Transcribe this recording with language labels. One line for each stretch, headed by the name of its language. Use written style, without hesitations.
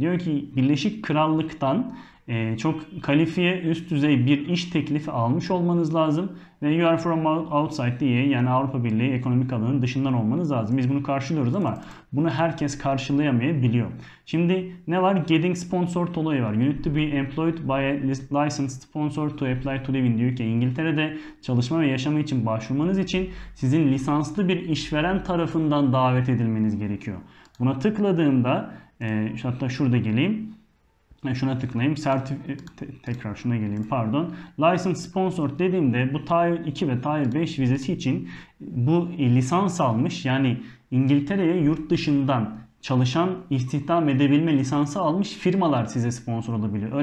Turkish: Diyor ki Birleşik Krallık'tan çok kalifiye üst düzey bir iş teklifi almış olmanız lazım. Ve
English: you are from outside the EU,
Turkish: yani Avrupa Birliği ekonomik alanının dışından olmanız lazım. Biz bunu karşılıyoruz ama bunu herkes karşılayamayabiliyor. Şimdi ne var? Getting sponsored olayı var.
English: You need to be employed by a licensed sponsor to apply to live in the UK.
Turkish: İngiltere'de çalışma ve yaşama için başvurmanız için sizin lisanslı bir işveren tarafından davet edilmeniz gerekiyor. Buna tıkladığımda, hatta şurada geleyim. Şuna tıklayayım. Tekrar şuna geleyim. Pardon. License sponsored dediğimde bu Tier 2 ve Tier 5 vizesi için bu lisans almış, yani İngiltere'ye yurt dışından çalışan istihdam edebilme lisansı almış firmalar size sponsor olabiliyor.